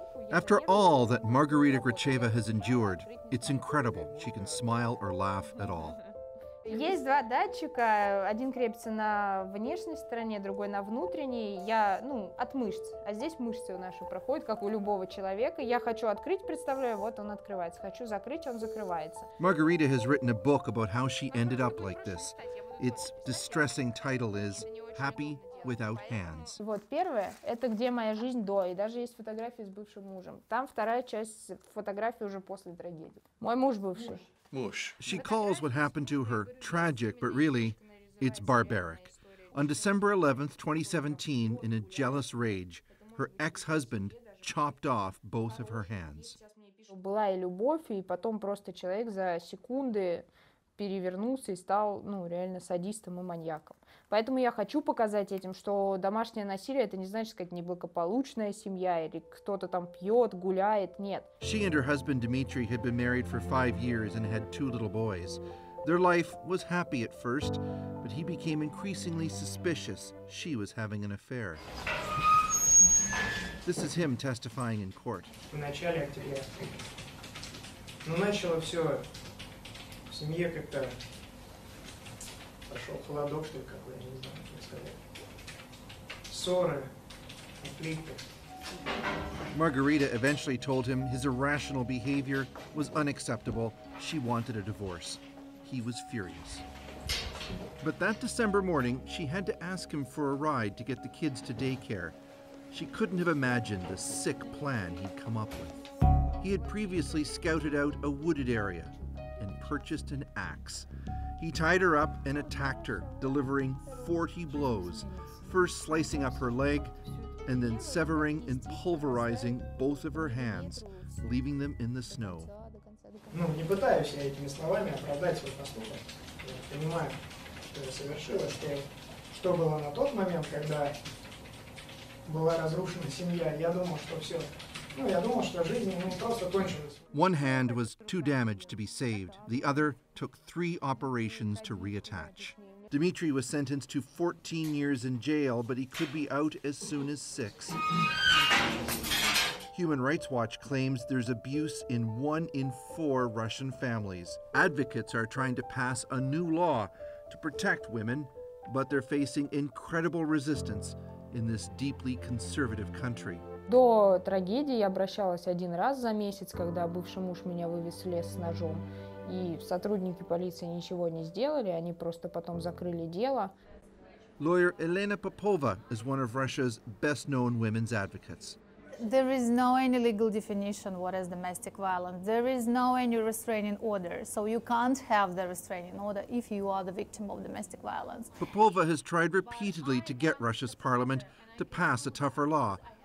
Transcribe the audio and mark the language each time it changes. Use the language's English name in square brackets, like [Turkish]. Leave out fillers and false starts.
[English] After all that Margarita Gracheva has endured, it's incredible she can smile or laugh at all. [Russian] Есть два датчика. Один крепится на внешней стороне, другой на внутренней. Я, ну, от мышц. А здесь мышцы наши проходят, как у любого человека. Я хочу открыть, представляю, вот он открывается. Хочу закрыть, он закрывается. [English] Margarita has written a book about how she ended up like this. Its distressing title is Happy Without Hands. [Russian] Вот первое, это где моя жизнь до, и даже есть фотографии с бывшим мужем. Там вторая часть фотографии уже после трагедии. Мой муж бывший. [English] She calls what happened to her tragic, but really, it's barbaric. On December 11th, 2017, in a jealous rage, her ex-husband chopped off both of her hands. [Russian] Была и любовь, и потом просто человек за секунды перевернулся и стал, ну, реально садистом и маньяком. Поэтому я хочу показать этим, что домашнее насилие это не значит, сказать, неблагополучная семья или кто-то там пьет, гуляет, нет. [English] She and her husband Dmitry had been married for 5 years and had two little boys. Their life was happy at first, but he became increasingly suspicious she was having an affair. This is him testifying in court. [Russian] В начале октября. Ну, начало все. В семье как-то пошел холодок, что ли, какой, я не знаю, как сказать. Ссоры, конфликты. [English] Margarita eventually told him his irrational behavior was unacceptable. She wanted a divorce. He was furious. But that December morning, she had to ask him for a ride to get the kids to daycare. She couldn't have imagined the sick plan he'd come up with. He had previously scouted out a wooded area and purchased an axe. He tied her up and attacked her, delivering 40 blows, first slicing up her leg, and then severing and pulverizing both of her hands, leaving them in the snow. [Russian] Ну, не пытаюсь я этими словами оправдать свой поступок. Я понимаю, что я совершил, что было на тот момент, когда была разрушена семья. Я думал, что все. Ну, я думал, что жизнь, ну, просто кончилась. [English] One hand was too damaged to be saved. The other took 3 operations to reattach. Dmitry was sentenced to 14 years in jail, but he could be out as soon as 6. Human Rights Watch claims there's abuse in 1 in 4 Russian families. Advocates are trying to pass a new law to protect women, but they're facing incredible resistance in this deeply conservative country. [Russian] До трагедии я обращалась один раз за месяц, когда бывший муж меня вывез в лес с ножом. И сотрудники полиции ничего не сделали, они просто потом закрыли дело. [English] Lawyer Elena Popova is one of Russia's best-known women's advocates. There is no any legal definition what is domestic violence. There is no any restraining order, so you can't have the restraining order if you are the victim of domestic violence. Popova has tried repeatedly to get Russia's parliament to pass a tougher law.